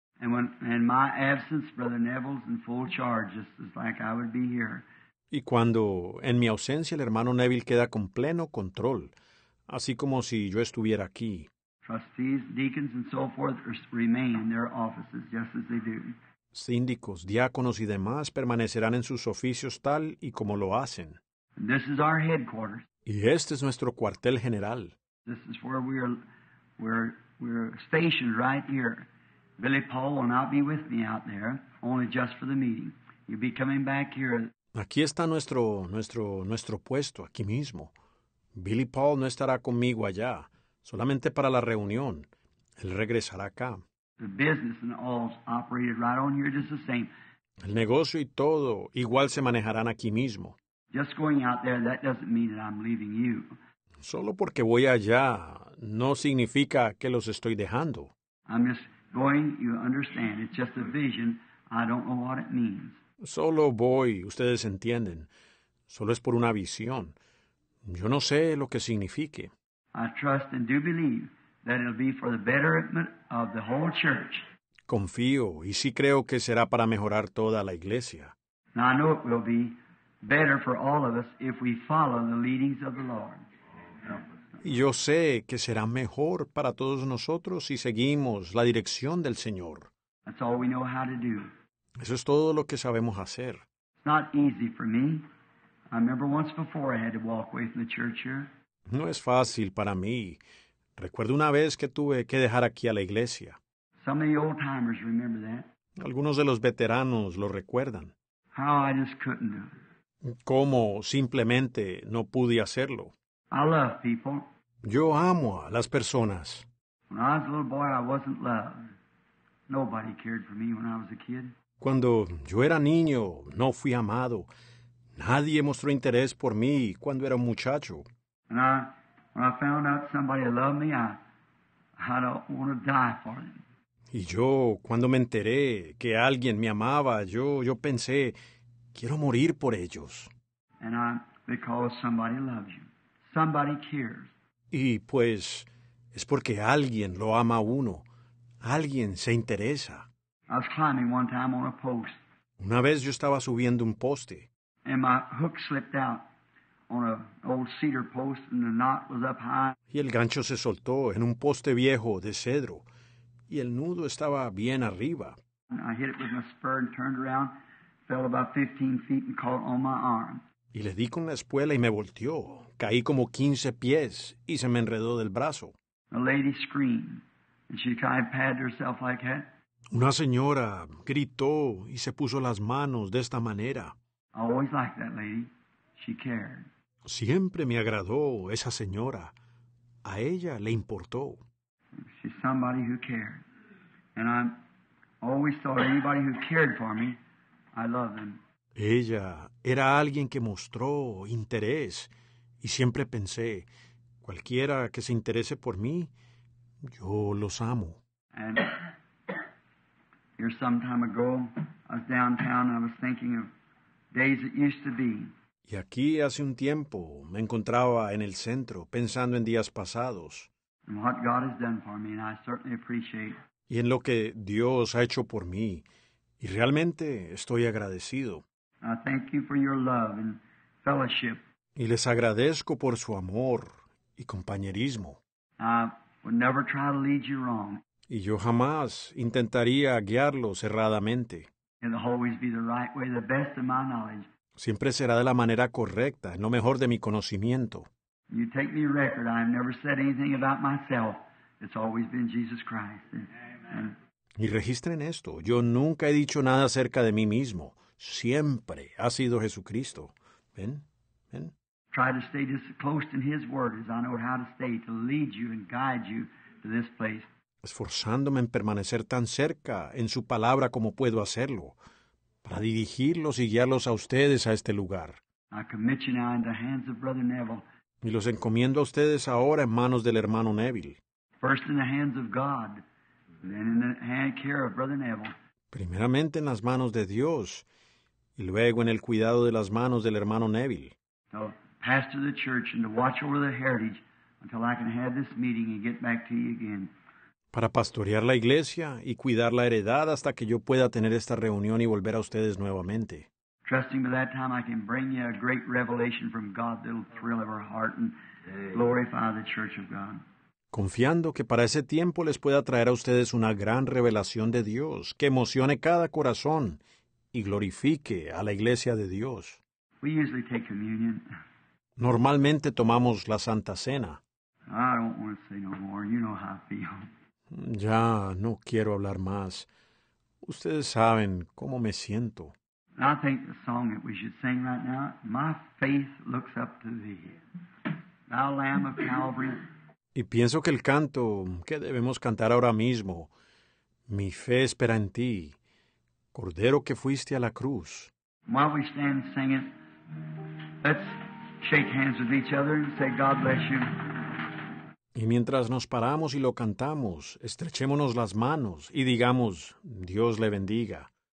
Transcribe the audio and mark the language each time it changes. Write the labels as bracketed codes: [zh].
[en] And in my absence, Brother Neville's in full charge, just like I would be here. [es] Y cuando, en mi ausencia, el hermano Neville queda con pleno control, así como si yo estuviera aquí. [en] Trustees, deacons, and so forth remain in their offices just as they do. [es] Síndicos, diáconos y demás permanecerán en sus oficios tal y como lo hacen. [en] And this is our headquarters. [es] Y este es nuestro cuartel general. [en] This is where we're stationed right here. Billy Paul will not be with me out there, only just for the meeting. He'll be coming back here. [es] Aquí está nuestro puesto, aquí mismo. Billy Paul no estará conmigo allá, solamente para la reunión. Él regresará acá. [en] The business and all's operated right on here just the same. [es] El negocio y todo igual se manejarán aquí mismo. [en] Just going out there, that doesn't mean that I'm leaving you. [es] Solo porque voy allá no significa que los estoy dejando. [en] I'm just going, you understand, it's just a vision. I don't know what it means. [es] Solo voy, ustedes entienden. Solo es por una visión. Yo no sé lo que signifique. [en] I trust and do believe that it'll be for the betterment of the whole church. [es] Confío y sí creo que será para mejorar toda la iglesia. [en] Now I know it will be better for all of us if we follow the leadings of the Lord. [es] Y yo sé que será mejor para todos nosotros si seguimos la dirección del Señor. [en] That's all we know how to do. [es] Eso es todo lo que sabemos hacer. [en] Not easy for me. I remember once before I had to walk away from the church here. [es] No es fácil para mí. Recuerdo una vez que tuve que dejar aquí a la iglesia. [en] Some of the old timers remember that. [es] Algunos de los veteranos lo recuerdan. [en] How I just couldn't do it. [es] Cómo simplemente no pude hacerlo. [en] I love people. [es] Yo amo a las personas. [en] When I was a little boy, I wasn't loved. Nobody cared for me when I was a kid. [es] Cuando yo era niño, no fui amado. Nadie mostró interés por mí cuando era un muchacho. [en] When I found out somebody loved me, I don't want to die for them. [es] Y yo, cuando me enteré que alguien me amaba, yo pensé, quiero morir por ellos. [en] And I, because somebody loves you. Somebody cares. [es] Y pues, es porque alguien lo ama a uno. Alguien se interesa. [en] I was climbing one time on a post. [es] Una vez yo estaba subiendo un poste. [en] And my hook slipped out on an old cedar post, and the knot was up high. [es] Y el gancho se soltó en un poste viejo de cedro, y el nudo estaba bien arriba. [en] And I hit it with my spur and turned around, fell about 15 feet and caught on my arm. [es] Y le di con la espuela y me volteó. Caí como 15 pies y se me enredó del brazo. [en] A lady screamed, and she kind of patted herself like that. [es] Una señora gritó y se puso las manos de esta manera. [en] I always liked that lady. She cared. [es] Siempre me agradó esa señora. A ella le importó. [en] She's somebody who cared. And I always thought anybody who cared for me, I love them. [es] Ella era alguien que mostró interés. Y siempre pensé, cualquiera que se interese por mí, yo los amo. [en] And here some time ago, I was downtown and I was thinking of days it used to be. [es] Y aquí hace un tiempo me encontraba en el centro pensando en días pasados. [en] And what God has done for me, and I certainly appreciate. [es] Y en lo que Dios ha hecho por mí. Y realmente estoy agradecido. [en] I thank you for your love and fellowship. [es] Y les agradezco por su amor y compañerismo. [en] I would never try to lead you wrong. [es] Y yo jamás intentaría guiarlos erradamente. [en] It'll always be the right way, the best of my knowledge. [es] Siempre será de la manera correcta, en lo mejor de mi conocimiento. [en] You take me record. I've never said anything about myself. It's always been Jesus Christ. [es] Amen. Y registren esto. Yo nunca he dicho nada acerca de mí mismo. Siempre ha sido Jesucristo. ¿Ven? ¿Ven? [en] Try to stay just close to his word as I know how to stay to lead you and guide you to this place. [es] Esforzándome en permanecer tan cerca en su palabra como puedo hacerlo, para dirigirlos y guiarlos a ustedes a este lugar. [en] I commit you now in the hands of Brother Neville. [es] Y los encomiendo a ustedes ahora en manos del hermano Neville. [en] First in the hands of God, then in the hand care of Brother Neville. [es] Primeramente en las manos de Dios, y luego en el cuidado de las manos del hermano Neville. [en] To pastor the church and to watch over the heritage until I can have this meeting and get back to you again. [es] Para pastorear la iglesia y cuidar la heredad hasta que yo pueda tener esta reunión y volver a ustedes nuevamente. [en] trusting by that time I can bring you a great revelation from God that'll thrill our heart and glorify the church of God. [es] Confiando que para ese tiempo les pueda traer a ustedes una gran revelación de Dios que emocione cada corazón y glorifique a la Iglesia de Dios. [en] We usually take communion. [es] Normalmente tomamos la Santa Cena. [en] I don't want to say no more. You know how I feel. [es] Ya no quiero hablar más. Ustedes saben cómo me siento. [en] I think the song that we should sing right now, my faith looks up to thee, thou Lamb of Calvary. [es] Y pienso que el canto que debemos cantar ahora mismo, mi fe espera en ti, Cordero que fuiste a la cruz. [en] While we stand singing, let's shake hands with each other and say, God bless you. [es] Y mientras nos paramos y lo cantamos, estrechémonos las manos y digamos, Dios le bendiga.